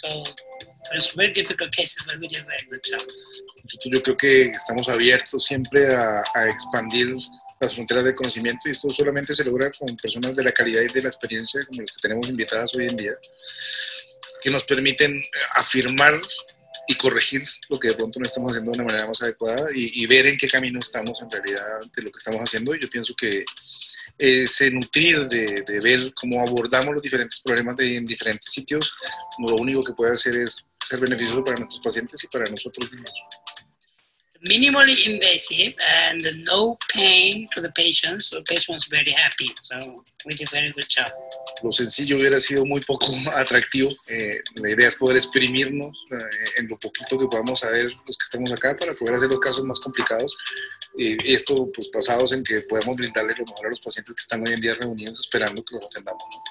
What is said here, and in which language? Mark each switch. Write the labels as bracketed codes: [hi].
[en] So it's very difficult cases, but we did a very good job. [es] Yo creo que estamos abiertos siempre a expandir las fronteras del conocimiento y esto solamente se logra con personas de la calidad y de la experiencia como las que tenemos invitadas hoy en día, que nos permiten afirmar y corregir lo que de pronto no estamos haciendo de una manera más adecuada y ver en qué camino estamos en realidad de lo que estamos haciendo. Y yo pienso que ese nutrir de ver cómo abordamos los diferentes problemas en diferentes sitios, lo único que puede hacer es ser beneficioso para nuestros pacientes y para nosotros mismos. [en] Minimally invasive and no pain to the patient, so the patient was very happy. So we did a very good job. [es] Lo sencillo hubiera sido muy poco atractivo. La idea es poder exprimirnos en lo poquito que podamos saber los que estamos acá para poder hacer los casos más complicados. Esto, pues, basados en que podamos brindarle lo mejor a los pacientes que están hoy en día reunidos esperando que los atendamos.